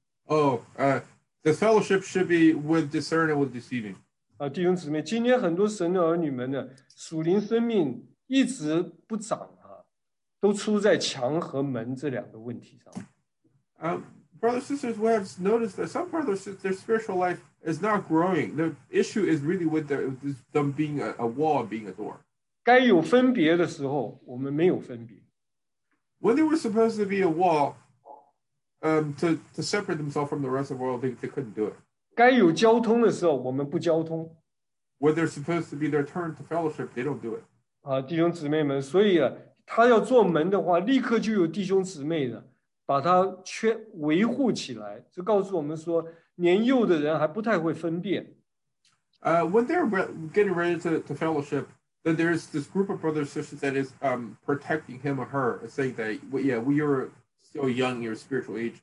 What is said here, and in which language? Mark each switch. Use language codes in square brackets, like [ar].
[en] Oh, the fellowship should be with discern and with deceiving. [zh] 弟兄姊妹, 今天很多神的儿女们呢, 属灵生命 一直不长啊, 都出在墙和门这两个问题上。 [en] Brothers and sisters, we have noticed that some brothers, their spiritual life is not growing. The issue is really with them being a wall, being a door. [zh] 该有分别的时候, 我们没有分别。 [en] When they were supposed to be a wall, to separate themselves from the rest of the world, they couldn't do it. [zh] 该有交通的时候, 我们不交通。 [en] When they're supposed to be their turn to fellowship, they don't do it. [zh] 弟兄姊妹们, 所以啊, 他要做门的话, 立刻就有弟兄姊妹的, 把他圈维护起来, 就告诉我们说, 年幼的人还不太会分辨。 [en] When they're getting ready to fellowship, then there's this group of brothers and sisters that is protecting him or her, saying that, well, yeah, well, you're still young, your spiritual age.